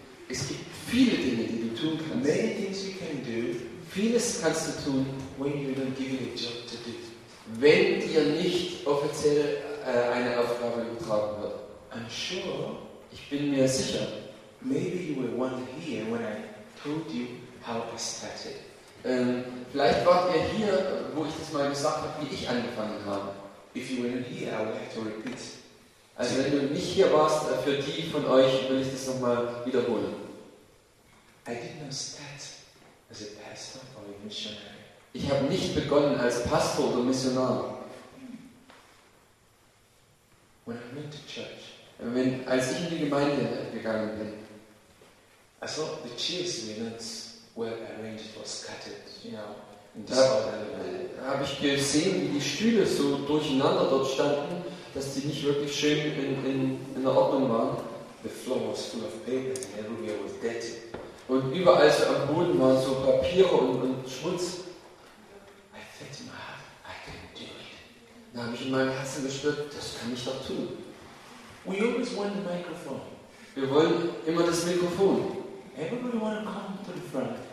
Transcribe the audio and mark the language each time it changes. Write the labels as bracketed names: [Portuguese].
[German] Es gibt viele Dinge, die du tun kannst. [English] Many things you can do. [German] Vieles kannst du tun, [English] when you don't give it a job to do. [German] Wenn dir nicht offiziell eine Aufgabe übertragen wird. [English] I'm sure. [German] Ich bin mir sicher. [English] Maybe you were one here when I told you how I started. [German] Vielleicht wart ihr hier, wo ich das mal gesagt habe, wie ich angefangen habe. [English] If you weren't here, I would like to repeat. [German] Also wenn du nicht hier warst, für die von euch will ich das nochmal wiederholen. [English] I did not start as a pastor or a missionary. [German] Ich habe nicht begonnen als Pastor oder Missionar. [English] When I went to church, [German] als ich in die Gemeinde gegangen bin, [English] I saw the chairs were arranged or scattered, you know, [German] habe ich gesehen, wie die Stühle so durcheinander dort standen, dass die nicht wirklich schön in der Ordnung waren. [English] The floor was full of papers and everywhere was dead. [German] Und überall so am Boden waren so Papiere und Schmutz. [English] I felt in my heart, I can do it. [German] Da habe ich in meinem Herzen gespürt, das kann ich doch tun. [English] We always want the microphone. [German] Wir wollen immer das Mikrofon. [English] Everybody want to come to the front.